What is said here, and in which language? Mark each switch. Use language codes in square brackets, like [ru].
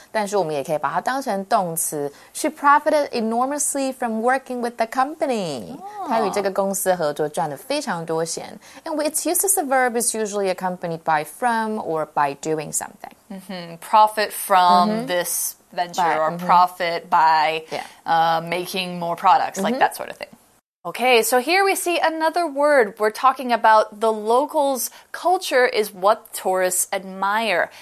[zh] 但是我们也可以把它当成动词。 [en] She profited enormously from working with the company. [zh] 她与这个公司合作赚了非常多钱。 [en] And its use as a verb is usually accompanied by from or by doing something. Profit from this venture or profit by making more products, like that sort of thing. Okay, so here we see another word. We're talking about the locals' culture is what tourists admire.